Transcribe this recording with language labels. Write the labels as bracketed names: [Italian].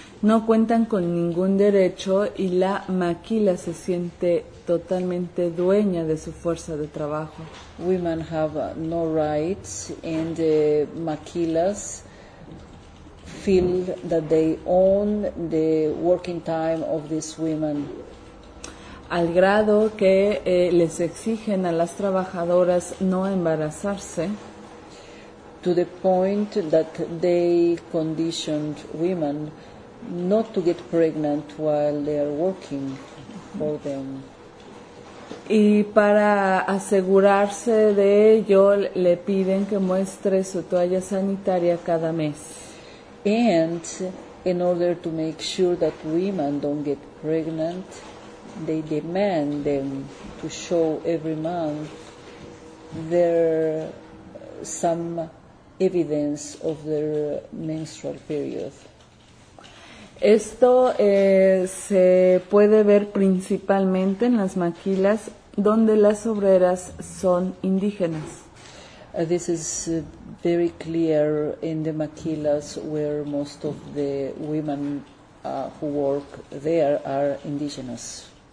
[Spanish] No cuentan con ningún derecho y la maquila se siente totalmente dueña de su fuerza de trabajo. [English] Women have no rights and the maquilas feel that they own the working time of these women. [Spanish] Al grado que les exigen a las trabajadoras no embarazarse. [English] To the point that they conditioned women not to get pregnant while they are working for them. [Spanish] Y para asegurarse de ello, le piden que muestre su toalla sanitaria cada mes. [English] And in order to make sure that women don't get pregnant, they demand them to show every month their some evidence of their menstrual period. [Spanish] Esto se puede ver principalmente en las maquilas donde las obreras son indígenas. [English] This is very clear in the maquilas where most of the women who work there are indigenous.